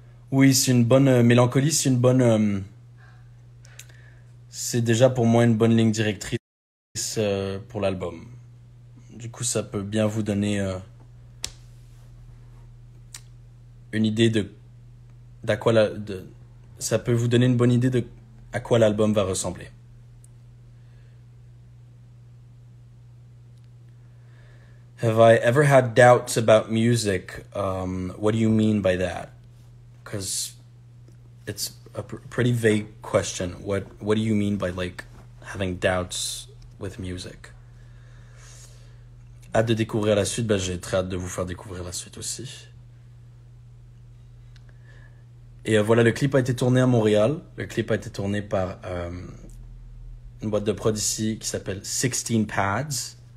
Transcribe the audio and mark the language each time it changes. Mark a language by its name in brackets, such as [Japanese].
[French] Oui, c'est une bonne mélancolie, c'est une bonne. C'est déjà pour moi une bonne ligne directrice pour l'album. Du coup, ça peut bien vous donner une idée de d'à quoi la de ça peut vous donner une bonne idée de à quoi l'album va ressembler. [English] Have I ever had doubts about music? What do you mean by that? Because it's a pretty vague question. What do you mean by like having doubts with music? [French] Hâte de découvrir la suite, ben j'ai très hâte de vous faire découvrir la suite aussi. Et voilà, le clip a été tourné à Montréal. Le clip a été tourné par une boîte de prod ici qui s'appelle 16 Pads.